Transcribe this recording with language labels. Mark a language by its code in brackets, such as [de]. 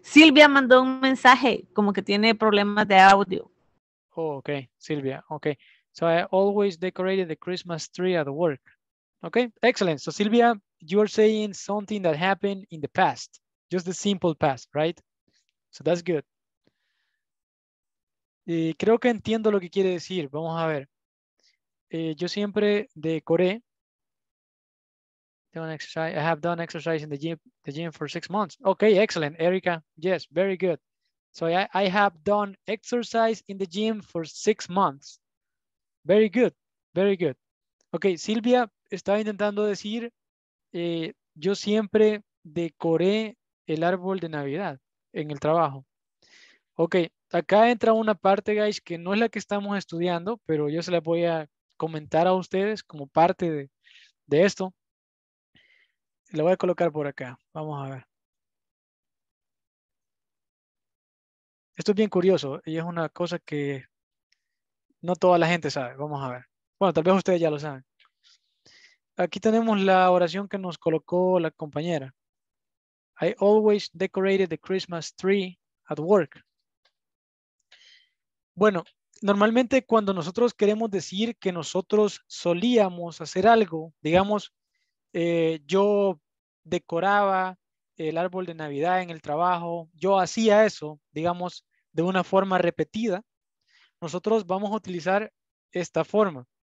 [es] Silvia mandó un mensaje como que tiene problemas de audio. Oh, okay, Silvia. Okay. [en] So I always decorated the Christmas tree at work. Okay, excellent. So Silvia, you are saying something that happened in the past, just the simple past, right? So that's good. [es] Y creo que entiendo lo que quiere decir. Vamos a ver. Yo siempre decoré. [en] I have done exercise in the gym for 6 months. Okay, excellent, Erica. Yes, very good. So I have done exercise in the gym for 6 months. Very good, very good. [es] Okay, Silvia estaba intentando decir, yo siempre decoré el árbol de Navidad en el trabajo. Okay, acá entra una parte, guys, que no es la que estamos estudiando, pero yo se la voy a comentar a ustedes como parte de esto. Lo voy a colocar por acá. Vamos a ver. Esto es bien curioso y es una cosa que no toda la gente sabe. Vamos a ver. Bueno, tal vez ustedes ya lo saben. Aquí tenemos la oración que nos colocó la compañera. [en] I always decorated the Christmas tree at work. [es] Bueno, normalmente cuando nosotros queremos decir que nosotros solíamos hacer algo, digamos, yo decoraba el árbol de Navidad en el trabajo, yo hacía eso, digamos, de una forma repetida, nosotros vamos a utilizar esta forma.